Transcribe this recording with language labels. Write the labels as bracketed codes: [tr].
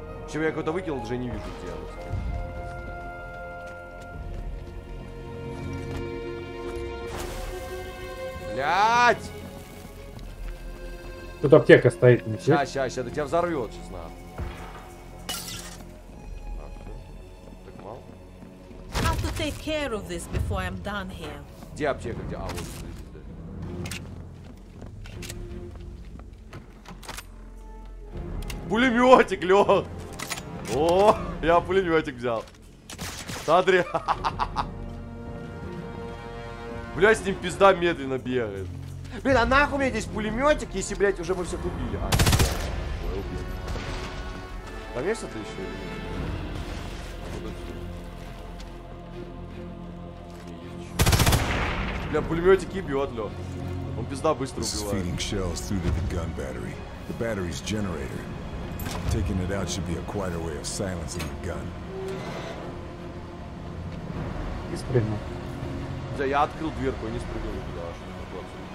[ru] Чего я кого-то выкинул, даже не вижу тебя. Вот. Блять! Тут аптека стоит, ничего. Сейчас, да тебя взорвет, честно. Так мало. [en] I have to take care of this before I'm done here. [ru] Где аптека? Где? А, вот. Пулеметик, Лёха! О, я пулеметик взял. Смотри. Бля, с ним пизда медленно бегает. Блин, а нахуй у меня здесь пулеметик, если, блядь, уже мы всех убили. А, ой, убил. Там есть что-то еще? Бля, пулеметик ебет, Лё. Он пизда быстро убивает. [en] Taking it out should be a quieter way of silencing the gun. [ru] И спрыгнул. Да я открыл дверку, не спрыгнул туда, аж на плацу.